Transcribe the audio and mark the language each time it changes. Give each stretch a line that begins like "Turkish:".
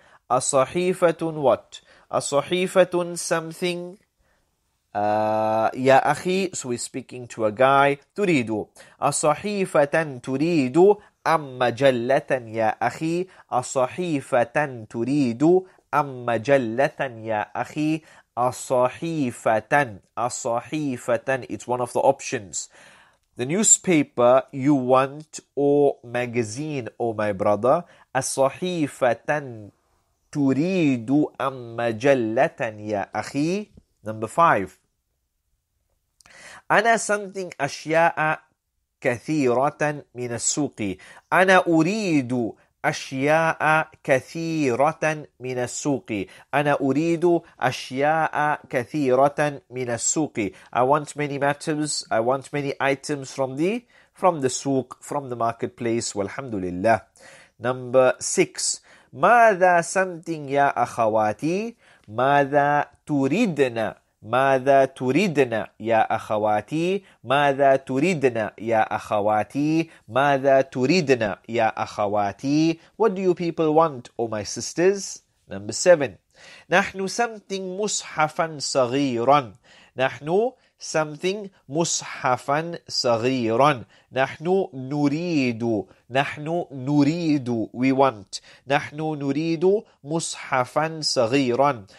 Arabic: أصحيفة what? أصحيفة something يا أخي.
English: So we're speaking to a guy.
Arabic: تريد. أصحيفة تريد أم مجلة يا أخي. أصحيفة تريد أم مجلة يا أخي. أصحيفة. أصحيفة.
English: It's one of the options. The newspaper you want or magazine, oh my brother.
Arabic: الصحيفة تريد أم مجلة يا أخي.
English: Number 5.
Arabic: أنا something أشياء كثيرة من السوق. أنا أريد أشياء كثيرة من السوق. أنا أريد أشياء كثيرة من السوق.
English: I want many matters. I want many items from the souk, from the marketplace.
Arabic: والحمد لله.
English: Number 6.
Arabic: ماذا something يا أخواتي. ماذا تريدنا. ماذا تريدنا يا أخواتي. ماذا تريدنا يا أخواتي. ماذا تريدنا يا أخواتي.
English: What do you people want, oh my sisters? Number 7.
Arabic: نحن something مصحفا صغيرا. نحن something مصحفا صغيرا. نحن نريد. نحن نريد.
English: We want.
Arabic: نحن نريد مصحفا صغيرا.